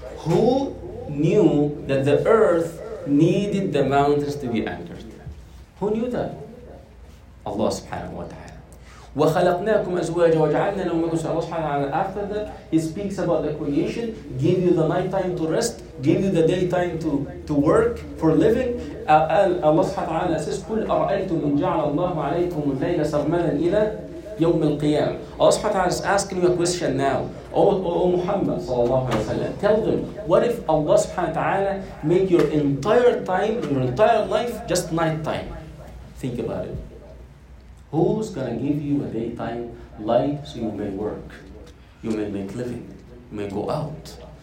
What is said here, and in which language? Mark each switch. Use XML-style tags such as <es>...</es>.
<en>Who knew that the earth needed the mountains to be anchored? Who knew that? Allah subhanahu wa ta'ala.</en> <ar>وَخَلَقْنَاكُمْ أَزْوَاجًا وَجَعَلْنَا لَكُمْ أَزْوَاجًا.</ar> <en>After that, he speaks about the creation, gave you the night time to rest, gave you the day time to work for living. Allah says,</en> <ar>قُلْ أَرْأَيْتُمْ إِنْ جَعَلَ اللَّهُ عَلَيْكُمُ اللَّيْلَ سَرْمَدًا إِلَى يَوْمِ الْقِيَامِ.</ar> <en>Allah is asking you a question now. Oh Muhammad sallallahu alayhi wa sallam, tell them, what if Allah subhanahu wa ta'ala make your entire time, your entire life, just night time? Think about it. Who's going to give you a daytime light so you may work, you may make living, you may go out?</en>